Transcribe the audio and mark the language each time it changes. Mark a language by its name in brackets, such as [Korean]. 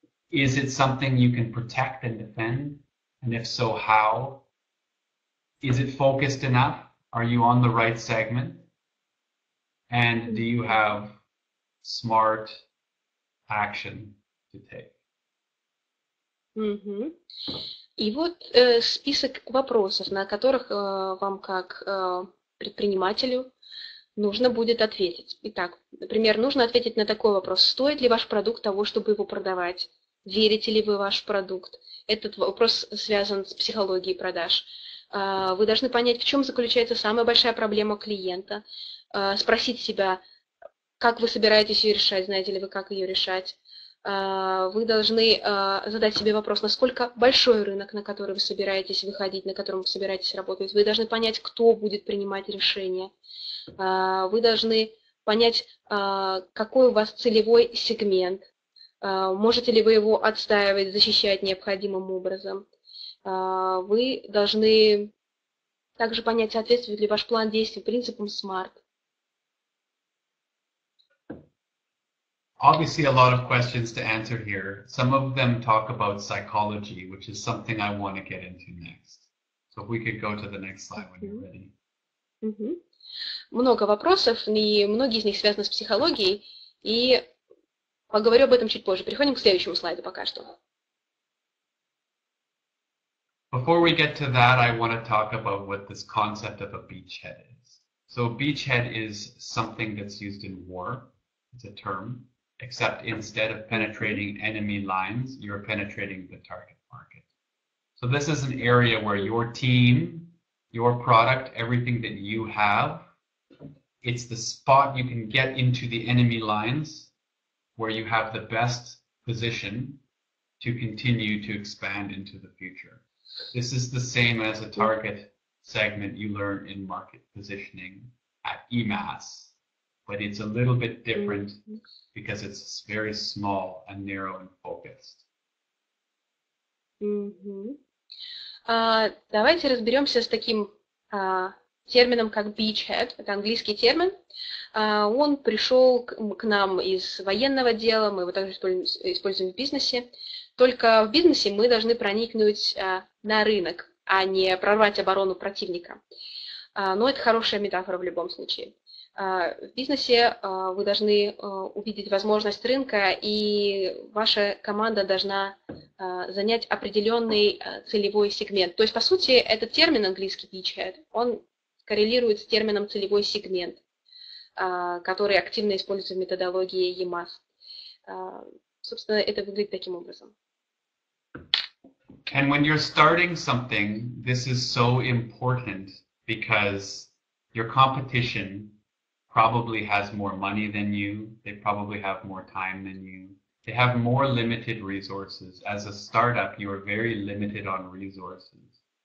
[English] Is it something you can protect and defend? And if so, how? Is it focused enough? Are you on the right segment? And do you have smart action to take? Mm-hmm. [Russian] И вот список вопросов, на которых вам как предпринимателю нужно будет ответить. Итак, например, нужно ответить на такой вопрос: стоит ли ваш продукт того, чтобы его продавать? Верите ли вы в ваш продукт? Этот вопрос связан с психологией продаж. Вы должны понять, в чем заключается самая большая проблема клиента. Спросить себя, как вы собираетесь ее решать, знаете ли вы, как ее решать. Вы должны задать себе вопрос, насколько большой рынок, на который вы собираетесь выходить, на котором вы собираетесь работать. Вы должны понять, кто будет принимать решения. Вы должны понять, какой у вас целевой сегмент. Можете ли вы его отстаивать, защищать необходимым образом? Вы должны также понять, соответствует ли ваш план действий принципам SMART. [English] Obviously, a lot of questions to answer here. Some of them talk about psychology, which is something I want to get into next. So if we could go to the next slide when you're ready. [Russian] Много вопросов, и многие из них связаны с психологией, и поговорю об этом чуть позже. Переходим к следующему слайду пока что. [English] Before we get to that, I want to talk about what this concept of a beachhead is. So a beachhead is something that's used in war. It's a term. Except instead of penetrating enemy lines, you're penetrating the target market. So this is an area where your team, your product, everything that you have, it's the spot you can get into the enemy lines where you have the best position to continue to expand into the future. This is the same as a target segment you learn in market positioning at EMAS, but it's a little bit different because it's very small and narrow and focused. [Russian] Давайте разберемся с таким термином, как beachhead. Это английский термин. Он пришел к нам из военного дела, мы его также используем в бизнесе. Только в бизнесе мы должны проникнуть на рынок, а не прорвать оборону противника. Но это хорошая метафора в любом случае. В бизнесе вы должны увидеть возможность рынка, и ваша команда должна занять определенный целевой сегмент. То есть, по сути, этот термин английский beachhead, он коррелирует с термином целевой сегмент, который активно используется в методологии EMAS. Собственно, это выглядит таким образом. [English] And when you're starting something, this is so important because your competition probably has more money than you. They probably have more time than you. They have more limited resources. As a startup, you are very limited on resources.